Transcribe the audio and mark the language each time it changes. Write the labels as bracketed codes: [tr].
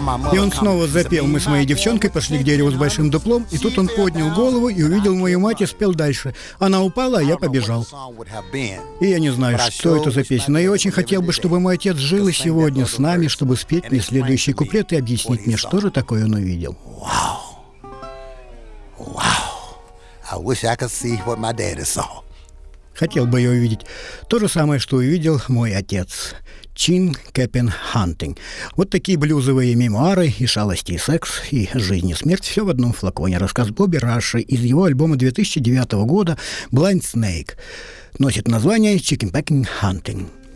[ru] И он снова запел, мы с моей девчонкой пошли к дереву с большим дуплом, и тут он поднял голову и увидел мою мать и спел дальше. Она упала, а я побежал. И я не знаю, что это за песня, но я очень хотел бы, чтобы мой отец жил и сегодня с нами, чтобы спеть мне следующий куплет и объяснить мне, что же такое он увидел. [en] Wow. I wish I could see what my daddy saw. [ru] Хотел бы я увидеть то же самое, что увидел мой отец. Чин Кэппин Хантинг. Вот такие блюзовые мемуары, и шалости, и секс, и жизнь и смерть, все в одном флаконе. Рассказ Бобби Раша из его альбома 2009 года «Blind Snake» носит название «Chicken Packing Hunting».